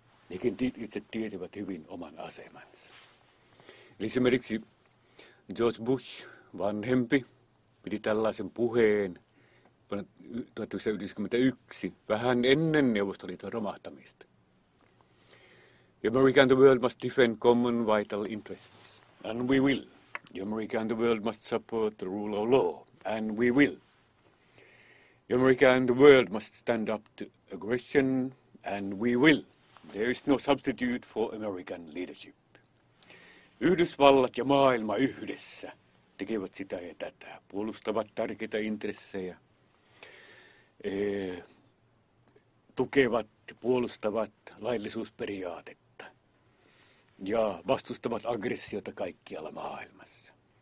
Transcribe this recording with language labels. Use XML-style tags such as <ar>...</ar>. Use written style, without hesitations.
<fi>Nekin itse tietävät hyvin oman asemansa. Eli esimerkiksi George Bush, vanhempi, piti tällaisen puheen vuonna 1991, vähän ennen Neuvostoliiton romahtamista.</fi> <en>America and the world must defend common vital interests, and we will. America and the world must support the rule of law, and we will. America and the world must stand up to aggression, and we will. There is no substitute for American leadership.</en> <fi>Yhdysvallat ja maailma yhdessä tekevät sitä ja tätä, puolustavat tärkeitä intressejä, tukevat ja puolustavat laillisuusperiaatetta ja vastustavat aggressiota kaikkialla maailmassa.</fi>